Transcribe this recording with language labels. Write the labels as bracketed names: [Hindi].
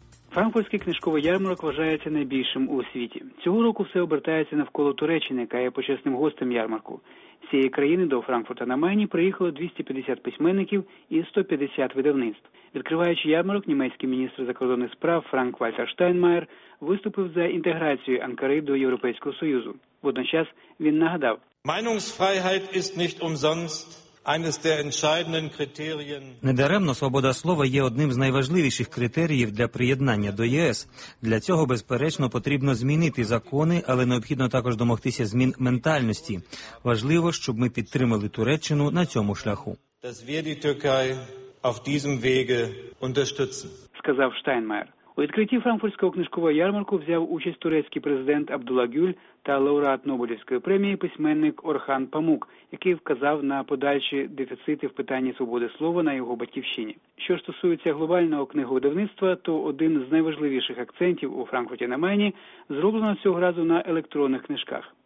[Ukrainian] Франкфуртський книжковий ярмарок вважається найбільшим у світі. Цього року все обертається навколо Туреччини, яка є почесним гостем ярмарку. всієї країни до Франкфурта на Майні приїхало 250 письменників і 150 видавництв. Відкриваючи ярмарок, німецький міністр закордонних справ Франк-Вальтер Штайнмайер виступив за інтеграцію Анкари до Європейського Союзу. Водночас він нагадав: [German] Meinungsfreiheit ist nicht umsonst eines der entscheidenden Kriterien. [Ukrainian] Недаремно свобода слова є одним з найважливіших критеріїв для приєднання до ЄС. Для цього, безперечно, потрібно змінити закони, але необхідно також домогтися змін ментальності. Важливо, щоб ми підтримали Туреччину на цьому шляху. [German] Dass wir die Türkei auf diesem Wege unterstützen, [Ukrainian] сказав Штайнмайер. У відкритті франкфуртського книжкового ярмарку взяв участь турецький президент Абдулла Гюль та лауреат Нобелівської премії письменник Орхан Памук, який вказав на подальші дефіцити в питанні свободи слова на його батьківщині. Що стосується глобального книговидавництва, то один з найважливіших акцентів у Франкфурті на Майні зроблено цього разу на електронних книжках.